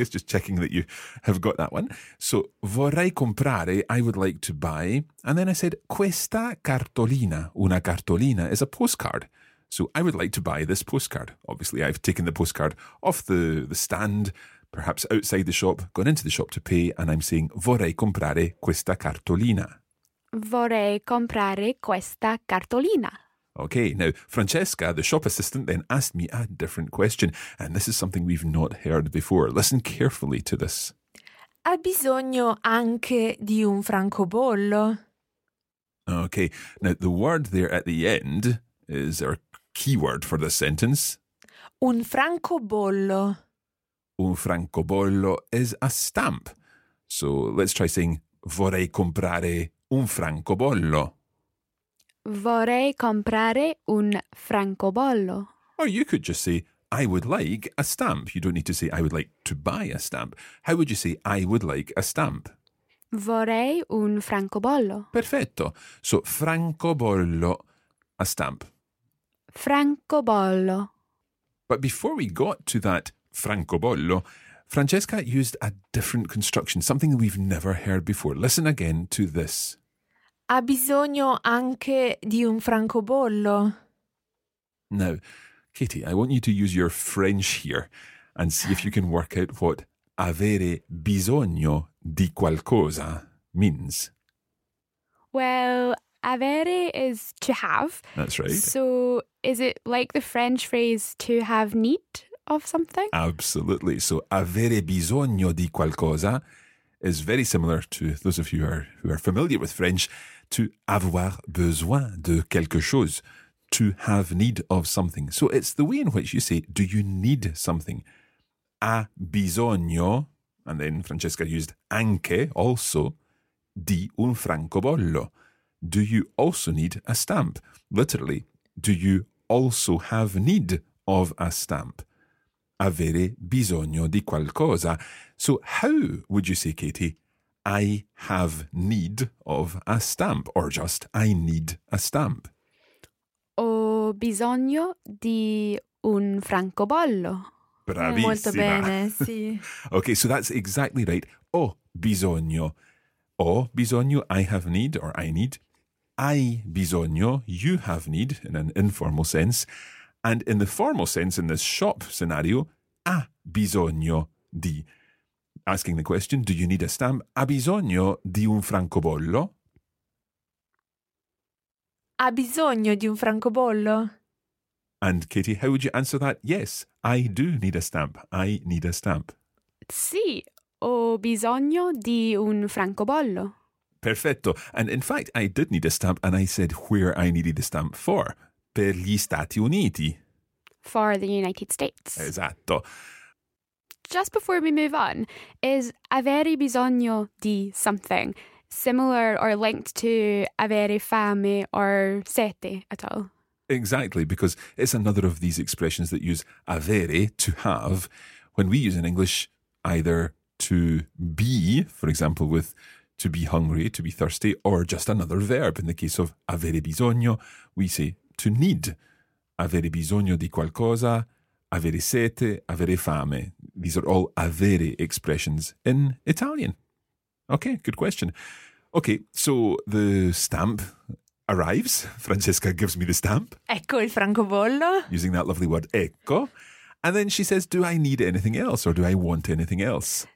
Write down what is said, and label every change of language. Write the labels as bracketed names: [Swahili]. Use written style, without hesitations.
[English] It's just checking that you have got that one. So, [Italian] vorrei comprare, [English] I would like to buy. And then I said, [Italian] questa cartolina, una cartolina, [English] is a postcard. So, I would like to buy this postcard. Obviously, I've taken the postcard off the stand, perhaps outside the shop, gone into the shop to pay, and I'm saying, [Italian] vorrei comprare questa cartolina. Vorrei comprare questa cartolina. [English] Okay, now, Francesca, the shop assistant, then asked me a different question, and this is something we've not heard before. Listen carefully to this. [Italian] Ha bisogno anche di un francobollo. [English] Okay, now, the word there at the end is our keyword for this sentence. [Italian] Un francobollo. Un francobollo [English] is a stamp. So let's try saying, [Italian] vorrei comprare un francobollo. Vorrei comprare un francobollo. [English] Or you could just say, I would like a stamp. You don't need to say, I would like to buy a stamp. How would you say, I would like a stamp? [Italian] Vorrei un francobollo. Perfetto. [English] So, francobollo, a stamp. [Italian] Francobollo. [English] But before we got to that francobollo, Francesca used a different construction, something we've never heard before. Listen again to this. [Italian] Ha bisogno anche di un francobollo. [English] Now, Katie, I want you to use your French here and see if you can work out what [Italian] avere bisogno di qualcosa [English] means. Well, avere is to have. That's right. So is it like the French phrase to have need of something? Absolutely. So [Italian] avere bisogno di qualcosa [English] is very similar to those of you who are familiar with French. To [French] avoir besoin de quelque chose, [English] to have need of something. So it's the way in which you say, do you need something? [Italian] A bisogno, [English] and then Francesca used anche, also, [Italian] di un francobollo. [English] Do you also need a stamp? Literally, do you also have need of a stamp? [Italian] Avere bisogno di qualcosa. [English] So how would you say, Katie, I have need of a stamp, or just I need a stamp. [Italian] Ho bisogno di un francobollo. Bravissima. Molto bene, sì. [English] Okay, so that's exactly right. [Italian] Ho bisogno. Ho bisogno, [English] I have need, or I need. [Italian] Hai bisogno, [English] you have need, in an informal sense. And in the formal sense, in this shop scenario, [Italian] ha bisogno di. [English] Asking the question, do you need a stamp? [Italian] Ha bisogno di un francobollo? Ha bisogno di un francobollo? [English] And Katie, how would you answer that? Yes, I do need a stamp. I need a stamp. [Italian] Sì, ho bisogno di un francobollo. Perfetto. [English] And in fact, I did need a stamp and I said where I needed a stamp for. [Italian] Per gli Stati Uniti. [English] For the United States. [Italian] Esatto. [English] Just before we move on, is [Italian] avere bisogno di [English] something similar or linked to [Italian] avere fame [English] or sete at all? Exactly, because it's another of these expressions that use avere, to have, when we use in English either to be, for example, with to be hungry, to be thirsty, or just another verb. In the case of [Italian] avere bisogno, [English] we say to need. [Italian] Avere bisogno di qualcosa, avere sete, avere fame. [English] These are all avere expressions in Italian. Okay, good question. Okay, so the stamp arrives. Francesca gives me the stamp. [Italian] Ecco il francobollo. [English] Using that lovely word, ecco. And then she says, do I need anything else or do I want anything else?